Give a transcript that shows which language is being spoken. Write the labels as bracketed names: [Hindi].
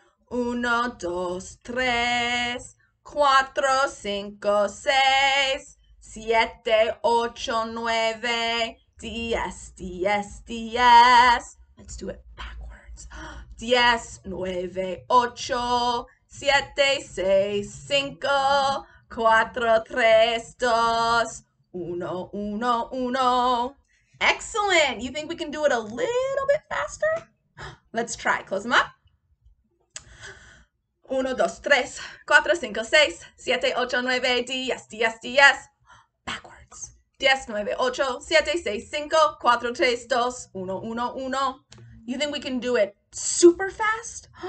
[Spanish] Uno, dos, tres, cuatro, cinco, seis, siete, ocho, nueve, diez, diez, diez. [English] Let's do it backwards. [Spanish] Diez, nueve, ocho, siete, seis, cinco, cuatro, tres, dos, uno, uno, uno. [English] Excellent. You think we can do it a little bit faster? Let's try. Close them up. [Spanish] Uno, dos, tres, cuatro, cinco, seis, siete, ocho, nueve, diez, diez, diez. Backwards. Diez, nueve, ocho, siete, seis, cinco, cuatro, tres, dos, uno, uno, uno. [English] You think we can do it super fast?